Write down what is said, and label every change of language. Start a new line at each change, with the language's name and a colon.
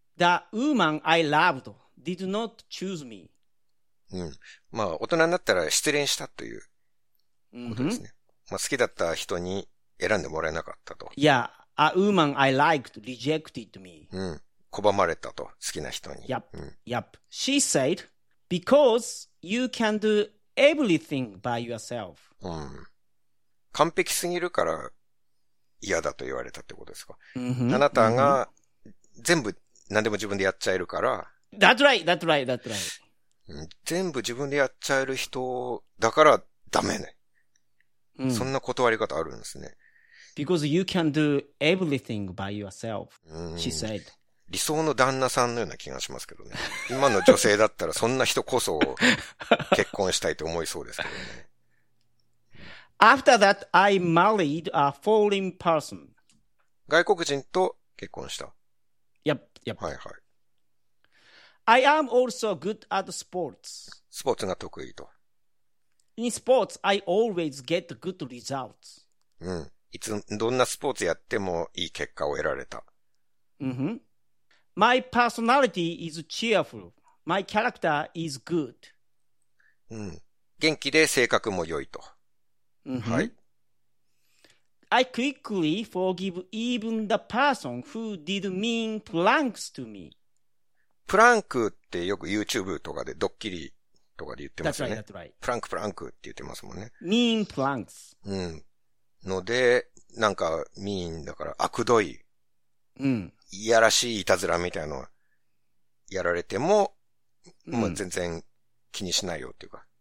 English: the woman I loved did not choose me.
Japanese: うん。まあ、大人になったら失恋したということですね。まあ、好きだった人に選んでもらえなかったと。
English: Yeah, a woman I liked rejected me.
Japanese: うん。拒まれたと、好きな人に。
English: She said, because you can do everything by yourself.
Japanese: うん。うん。完璧すぎるから嫌だと言われたってことですか。あなたが全部何でも自分でやっちゃえるから、
English: That's right, that's right, that's right.
Japanese: うん、全部自分でやっちゃえる人だからダメね。そんな断り方あるんですね。
English: Because you can do everything by yourself, she said.
Japanese: 理想の旦那さんのような気がしますけどね。今の女性だったらそんな人こそ結婚したいと思いそうですけどね。
English: After that, I married a foreign person.
Japanese: 外国人と結婚した。
English: Yep, yep.
Japanese: はいはい。
English: I am also good at sports.
Japanese: スポーツが得意と。
English: In sports, I always get good results.
Japanese: うん。いつ、どんなスポーツやってもいい結果を得られた。
English: Mm-hmm. My personality is cheerful. My character is good.
Japanese: うん。元気で性格も良いと。
English: Mm-hmm.
Japanese: はい。
English: I quickly forgive even the person who did mean pranks to me.
Japanese: プランクってよく YouTube とかでドッキリとかで言ってますよね。
English: That's right, that's right.
Japanese: プランクプランクって言ってますもんね。
English: mean pranks.
Japanese: うん。ので、なんか、mean だから、悪どい。うん。いやらしいいたずらみたいなのやられても、うん、もう全然気にしないよっていうか。